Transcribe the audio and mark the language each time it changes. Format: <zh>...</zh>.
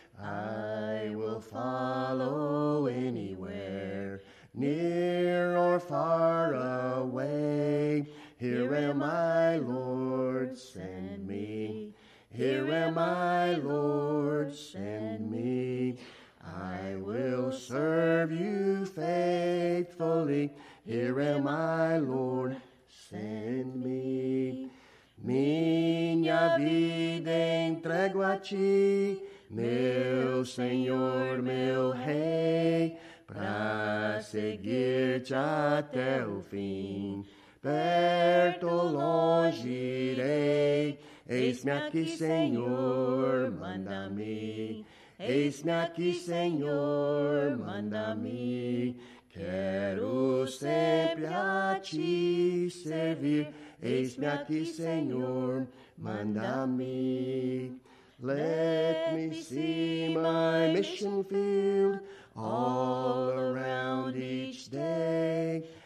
<en>I will follow anywhere, near or far away. Here am I, Lord, send me. Here am I, Lord, send me. I will serve you faithfully. Here am I, Lord, send me.</en> <pt>Minha vida entrego a ti, meu Senhor, meu Rei, pra seguir-te até o fim. Perto ou longe irei, eis-me aqui, Senhor, manda-me. Eis-me aqui, Senhor, manda-me. Quero sempre a ti servir. Eis-me aqui, Senhor, manda-me.</pt> <en>Let me see my mission field all around each day.</en>